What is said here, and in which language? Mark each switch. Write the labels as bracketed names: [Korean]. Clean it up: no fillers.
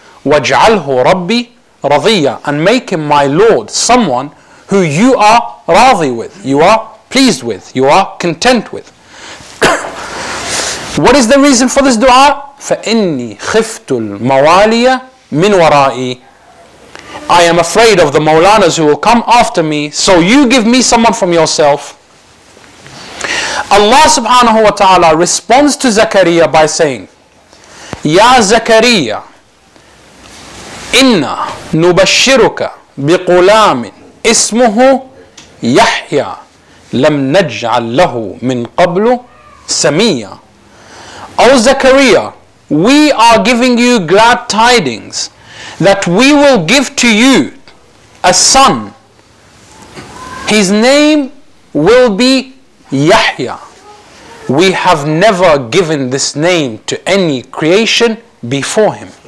[Arabic] وَجْعَلْهُ رَبِّي رَضِيًّا, [English] and make him my Lord, someone who you are راضي with, you are pleased with, you are content with. What is the reason for this dua? [Arabic] فَإِنِّي خِفْتُ الْمَوَالِيَ مِنْ وَرَائِي, [English] I am afraid of the Mawlanas who will come after me, so you give me someone from yourself. Allah subhanahu wa ta'ala responds to Zakariya by saying, [Arabic] يَا زَكَرِيَّ إِنَّا نُبَشِّرُكَ بِقُلَامٍ اسْمُهُ يَحْيَى لَمْ نَجْعَلْ لَهُ مِنْ قَبْلُ سَمِيًّا. [English] O Zakariya, we are giving you glad tidings that we will give to you a son. His name will be Yahya. We have never given this name to any creation before him.